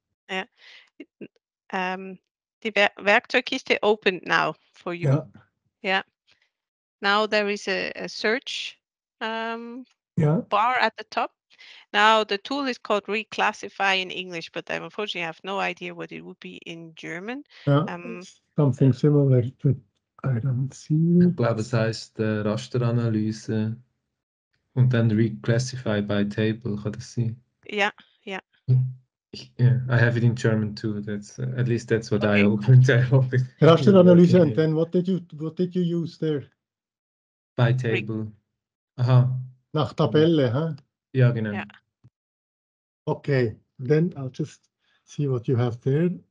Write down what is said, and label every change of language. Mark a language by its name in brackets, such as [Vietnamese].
[English] Yeah, the Werkzeugkiste opened now for you. Yeah. Yeah. Now there is a search bar at the top. Now the tool is called Reclassify in English, but I unfortunately have no idea what it would be in German. Yeah, something similar to. I don't see it. [German] Ich glaube, es heißt Rasteranalyse und dann [English] reclassify by table, [German] kann das sein? [English] Yeah. Yeah, I have it in German too. That's at least that's what okay. I opened. Rasteranalyse, and then what did you use there? By table. Aha. [German] Nach Tabelle, huh? Ja, genau. [English] Yeah. Okay, then I'll just see what you have there.